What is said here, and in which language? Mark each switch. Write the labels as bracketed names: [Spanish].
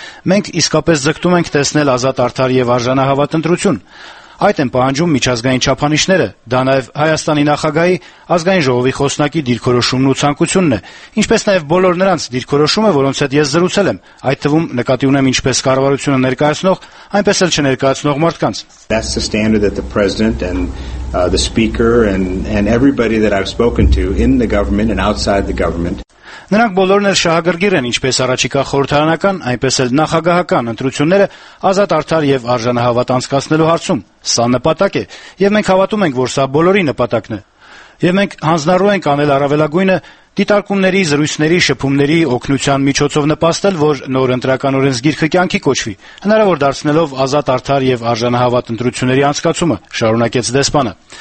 [Armenian] «Մենք իսկապես ձգտում ենք տեսնել ազատ, արդար և արժանահավատ ընտրություն. Այդ են պահանջում միջազգային չափանիշները, դա նաև Հայաստանի նախագահի ազգային ժողովի խոսնակի դիրքորոշումն ու ցանկությունն է, ինչպես նաև բոլոր նրանց դիրքորոշումը, որոնց հետ ես զրուցել եմ, այդ թվում նկատի ունեմ ինչպես կառավարությունը ներկայացնող, այնպես էլ չներկայացնող [English] մարդկանց»։ The speaker and everybody that I've spoken to in the government and outside the government. [Armenian] Նրանք բոլորն էլ շահագրգիռ են, ինչպես առաջիկա խորհրդարանական, այնպես էլ նախագահական ընտրությունները ազատ, արդար եւ արժանահավատ անցկացնելու հարցում։ Սա նպատակ է, եւ մենք հավատում ենք, որ սա բոլորի նպատակն է։ Եվ մենք հանձնարարում ենք անել առավելագույնը դիտարկումների, զրույցների, շփումների օգնության միջոցով նպաստել, որ նոր ընտրական օրենսգիրքը կյանքի կոչվի, հնարավոր դարձնելով ազատ, արդար և արժանահավատ ընտրությունների անցկացումը, շարունակեց դեսպանը։